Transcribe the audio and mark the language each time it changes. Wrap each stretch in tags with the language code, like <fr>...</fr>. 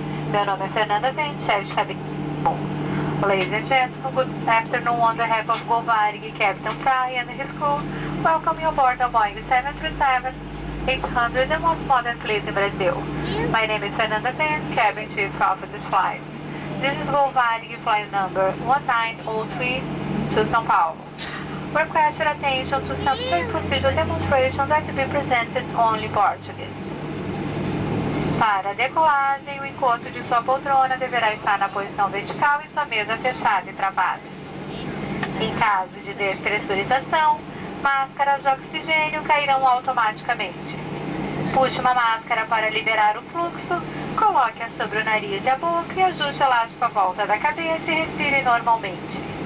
<pt>Meu nome é Fernanda Vente, chefe de cabine.</pt> <en>Ladies and gentlemen, good afternoon on behalf of Gulfari, Captain Praia and his crew. Welcome you aboard the Boeing 737-800, the most modern fleet in Brazil. My name is Fernanda Vente, cabin chief of this flight. This is Gulfari flight number 1903 to São Paulo. Request your attention to some safe procedure demonstration that will be presented only in Portuguese.</en> <pt>Para decolagem, o encosto de sua poltrona deverá estar na posição vertical e sua mesa fechada e travada. Em caso de despressurização, máscaras de oxigênio cairão automaticamente. Puxe uma máscara para liberar o fluxo. Coloque-a sobre o nariz e a boca e ajuste o elástico à volta da cabeça e respire normalmente.</pt>